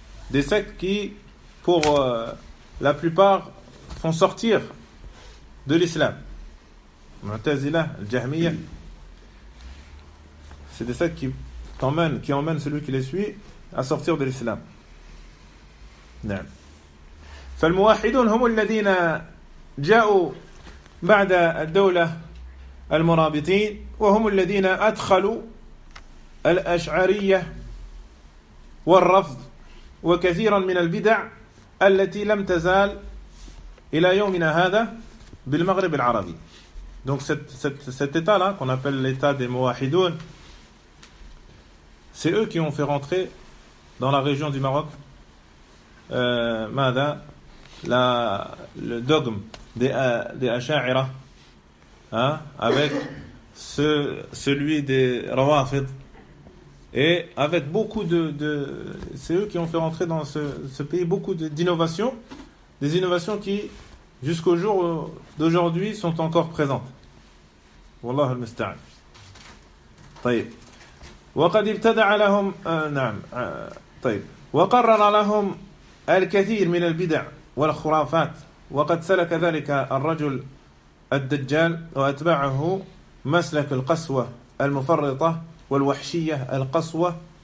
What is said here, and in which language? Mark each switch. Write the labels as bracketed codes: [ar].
[fr] Des sectes qui, pour la plupart, font sortir de l'islam. Mu'tazila, al-Jahmiyya. C'est des sectes qui emmènent celui qui les suit à sortir de l'islam. Non. [ar] فالموحدون هم الذين جاءوا بعد الدولة المرابطين وهم الذين أدخلوا الأشعرية والرفض وكثيرا من البدع التي لم تزال إلى يومنا هذا بالمغرب العربي. [fr] Donc cet état là qu'on appelle l'état des Mouahidoun, c'est eux qui ont fait rentrer dans la région du Maroc ماذا le dogme des Asha'ira, hein, avec celui des Rawafid, et avec beaucoup de c'est eux qui ont fait rentrer dans ce pays beaucoup d'innovations, des innovations qui jusqu'au jour d'aujourd'hui sont encore présentes. [ar] Wallah al-musta'an. طيب وقد ابتدع لهم نعم طيب وقرر لهم الكثير من البدع والخرافات وقد سلك ذلك الرجل الدجال وأتبعه مسلك القسوة المفرطة والوحشية القسوة